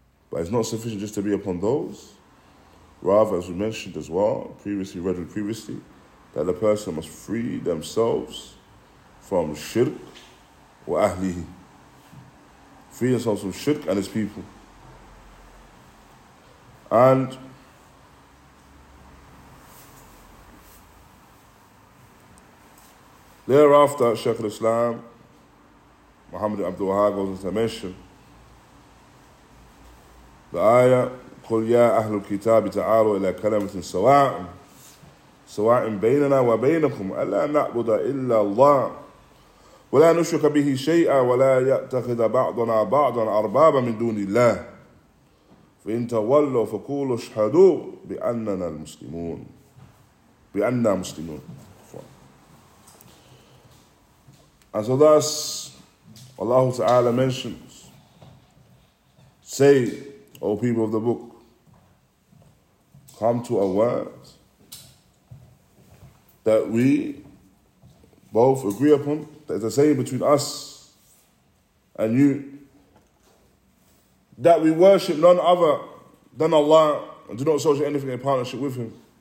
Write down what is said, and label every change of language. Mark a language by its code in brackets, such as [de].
[en] But it's not sufficient just to be upon those. Rather, as we mentioned as well, previously, that a person must free themselves from [ar] shirk wa ahlihi. [en] Free themselves from shirk and his people. And thereafter, Shaykh al-Islam, Muhammad Abdulhakeem, goes into mention the ayah, [ar] قُلْ يَا أَهْلُ الْكِتَابِ تَعَالُوا إِلَىٰ كَلَمَةٍ سَوَاءٍ سَوَاءٍ بَيْنَنَا وَبَيْنَكُمْ أَلَّا نَعْبُدَ إِلَّا اللَّهِ وَلَا نُشْرِكَ بِهِ شَيْئًا وَلَا يَأْتَخِذَ بَعْضُنَا بَعْضًا أَرْبَابًا مِنْ دُونِ اللَّهِ فَإِنْ تَوَلُّوا فَقُولُوا اشْهَدُوا بِأَنَّا مُسْلِمُونَ. [en] And so thus, Allah Ta'ala mentions, say, O people of the book, come to a word that we both agree upon, that is the same between us and you, that we worship none other than Allah and do not associate anything in partnership with Him.